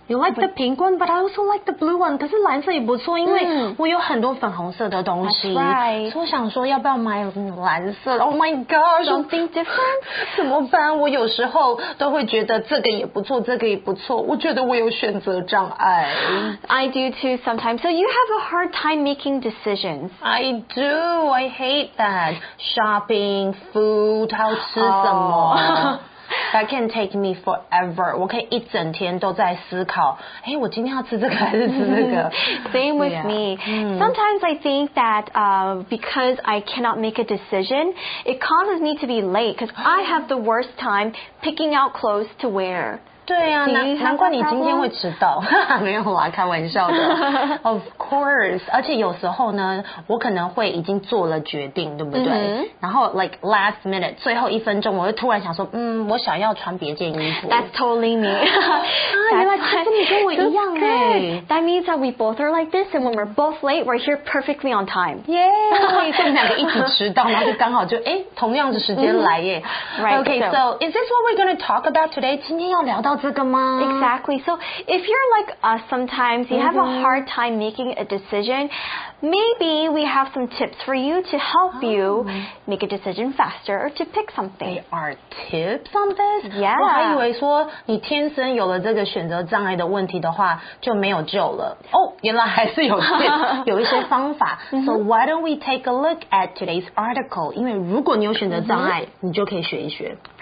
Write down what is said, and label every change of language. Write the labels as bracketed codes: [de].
[en] You like the pink one, but I also like the blue one. [zh] 可是蓝色也不错，因为我有很多粉红色的东西。 [en] That's right. [zh] 所以我想说要不要买蓝色 ？ [en] Oh my gosh, something different. [zh] 怎么办？我有时候都会觉得这个也不错，这个也不错。我觉得我有选择障碍。 [en] I do too sometimes. So you have a hard time making decisions. I do. I hate that. Shopping, food, [zh] 好吃什么。 [en] That can take me forever. [zh] 我可以一整天都在思考，欸，我今天要吃这个还是吃那个。 [en] Same with me. Sometimes I think that because I cannot make a decision, it causes me to be late because I have the worst time picking out clothes to wear. [zh] 对啊，难怪你今天会迟到。没有啦，开玩笑的。 [en] Of course. [zh] 而且有时候呢，我可能会已经做了决定，对不对？Mm-hmm. 然后 [en] like last minute, [zh] 最后一分钟我会突然想说，我想要穿别件衣服。 [en] That's totally me. [zh] 原来其实你跟我一样耶。 [en] That means that we both are like this, and when we're both late, we're here perfectly on time. Yay! [zh] 所以我们两个一直迟到，然后就刚好就同样的时间来耶。 [en] Right, okay, so is this what we're going to talk about today? [zh] 今天要聊到这个吗？ [en] Exactly. So if you're like us sometimes, you have a hard time making a decision, maybe we have some tips for you to help you make a decision faster or to pick something. There are tips on this? Yeah. [zh] 我还以为说你天生有了这个选择障碍的问题的话就没有救了。哦，原来还是有tips，有一些方法。 [en] So why don't we take a look at today's article? [zh] 因为如果你有选择障碍，你就可以学一学。